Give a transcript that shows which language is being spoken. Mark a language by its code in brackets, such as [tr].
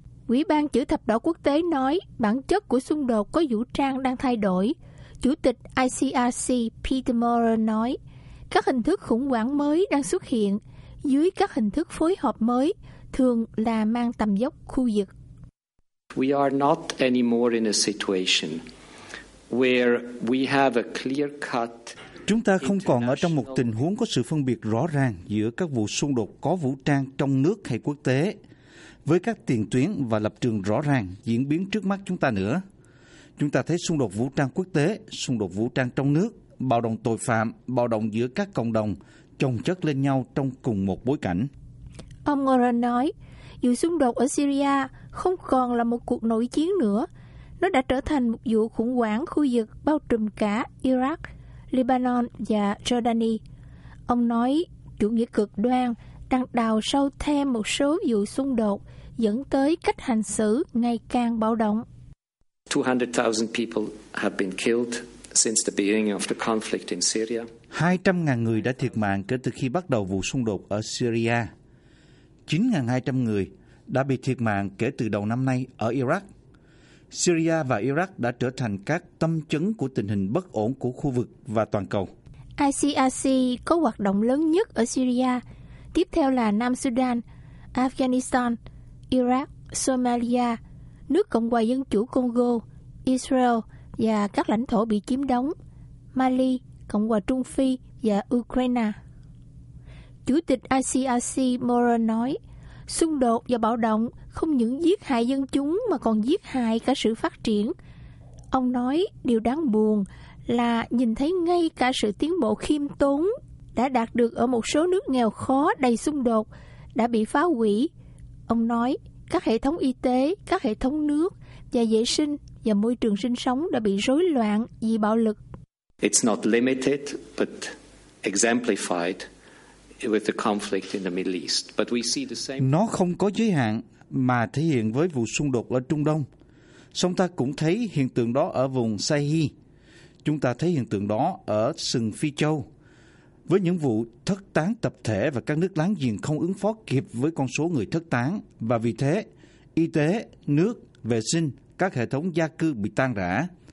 [vi] Ủy ban Chữ Thập Đỏ Quốc tế nói bản chất của xung đột có vũ trang đang thay đổi. Chủ tịch ICRC Peter Moran nói, các hình thức khủng hoảng mới đang xuất hiện dưới các hình thức phối hợp mới, thường là mang tầm dốc khu vực. [en] We are not anymore in a situation where we have a clear cut. [vi] Chúng ta không còn ở trong một tình huống có sự phân biệt rõ ràng giữa các vụ xung đột có vũ trang trong nước hay quốc tế, với các tiền tuyến và lập trường rõ ràng diễn biến trước mắt chúng ta nữa. Chúng ta thấy xung đột vũ trang quốc tế, xung đột vũ trang trong nước, bạo động tội phạm, bạo động giữa các cộng đồng chồng chất lên nhau trong cùng một bối cảnh. Ông Moran nói, dù xung đột ở Syria không còn là một cuộc nội chiến nữa, nó đã trở thành một vụ khủng hoảng khu vực bao trùm cả Iraq, Lebanon và Jordani. Ông nói chủ nghĩa cực đoan đang đào sâu thêm một số vụ xung đột dẫn tới cách hành xử ngày càng bạo động. [en] 200,000 people have been killed since the beginning of the conflict in Syria. [vi] 200,000 người đã thiệt mạng kể từ khi bắt đầu vụ xung đột ở Syria. 9,200 người đã bị thiệt mạng kể từ đầu năm nay ở Iraq. Syria và Iraq đã trở thành các tâm chấn của tình hình bất ổn của khu vực và toàn cầu. ICRC có hoạt động lớn nhất ở Syria, tiếp theo là Nam Sudan, Afghanistan, Iraq, Somalia, nước Cộng hòa Dân chủ Congo, Israel và các lãnh thổ bị chiếm đóng, Mali, Cộng hòa Trung Phi và Ukraine. Chủ tịch ICRC Moran nói, xung đột và bạo động không những giết hại dân chúng mà còn giết hại cả sự phát triển. Ông nói điều đáng buồn là nhìn thấy ngay cả sự tiến bộ khiêm tốn đã đạt được ở một số nước nghèo khó đầy xung đột đã bị phá hủy. Ông nói các hệ thống y tế, các hệ thống nước và vệ sinh và môi trường sinh sống đã bị rối loạn vì bạo lực. [en] It's not limited but exemplified with the conflict in the Middle East. But we see the same. [vi] Nó không có giới hạn mà thể hiện với vụ xung đột ở Trung Đông. Song ta cũng thấy hiện tượng đó ở vùng Sahel. Chúng ta thấy hiện tượng đó ở sừng Phi Châu với những vụ thất tán tập thể và các nước láng giềng không ứng phó kịp với con số người thất tán, và vì thế y tế, nước, vệ sinh, các hệ thống gia cư bị tan rã.